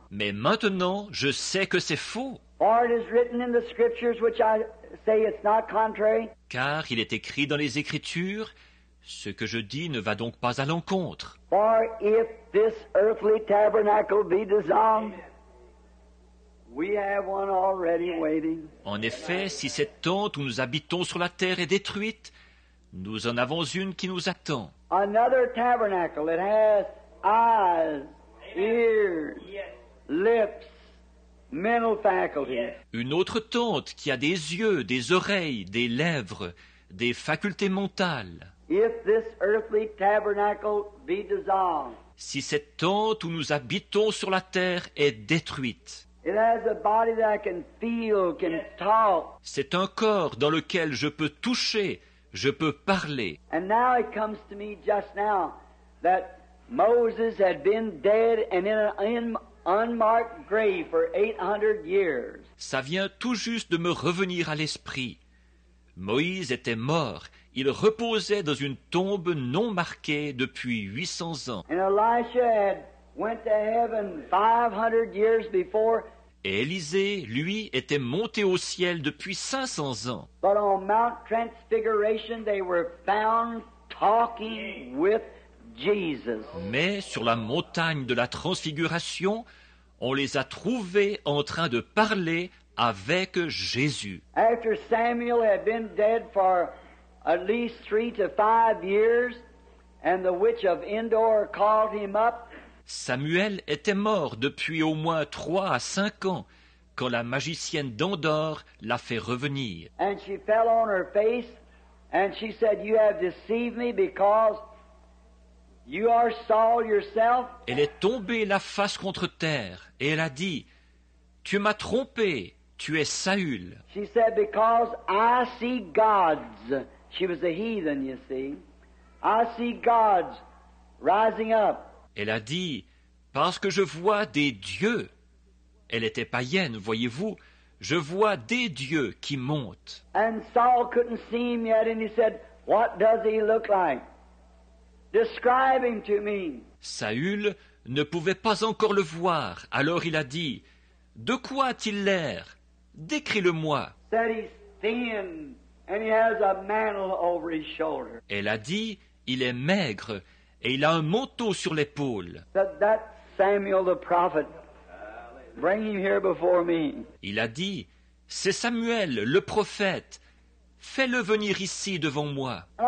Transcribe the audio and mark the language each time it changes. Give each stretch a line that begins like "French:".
French: Mais maintenant, je sais que c'est faux.
English: For it is written in the scriptures, which I say it's not contrary.
French: Car il est écrit dans les Écritures, ce que je dis ne va donc pas à l'encontre.
English: For if this earthly tabernacle be dissolved, we have one already waiting.
French: En effet, si cette tente où nous habitons sur la terre est détruite, nous en avons une qui nous attend.
English: Another tabernacle that has eyes, ears, lips, mental faculty.
French: Une autre tante qui a des yeux, des oreilles, des lèvres, des facultés mentales.
English: If this earthly tabernacle be dissolved,
French: si cette tente où nous habitons sur la terre est détruite,
English: it has a body that I can feel, can talk.
French: C'est un corps dans lequel je peux toucher, je peux parler.
English: And now it comes to me just now that Moses had been dead and in an unmarked grave for 800 years.
French: Ça vient tout juste de me revenir à l'esprit. Moïse était mort. Il reposait dans une tombe non marquée depuis 800 ans.
English: And Elisha had went to heaven 500 years before.
French: Et Élisée, lui, était monté au ciel depuis 500 ans.
English: But on Mount Transfiguration, they were found talking with Jesus.
French: Mais sur la montagne de la Transfiguration, on les a trouvés en train de parler avec Jésus.
English: After Samuel had been dead for at least 3 to 5 years, and the witch of Endor called him up.
French: Samuel était mort depuis au moins 3 à 5 ans quand la magicienne d'Endor l'a fait revenir.
English: And she fell on her face and she said, "You have deceived me because you are Saul yourself."
French: Elle est tombée la face contre terre et elle a dit, "Tu m'as trompé, tu es Saül."
English: She said, "Because I see gods." She was a heathen, you see. "I see gods rising up."
French: Elle a dit, « Parce que je vois des dieux. » Elle était païenne, voyez-vous. « Je vois des dieux qui montent. »
English: And Saul couldn't see him yet, and he said, « What does he look like? Describe him to me. »
French: Saül ne pouvait pas encore le voir. Alors il a dit, « De quoi a-t-il l'air? Décris-le-moi. »
English: Said he's thin, and he has a mantle over his shoulder.
French: Elle a dit, « Il est maigre. » Et il a un manteau sur l'épaule.
English: That Samuel, the prophet, bring him here before me.
French: Il a dit, c'est Samuel, le prophète. Fais-le venir ici devant moi.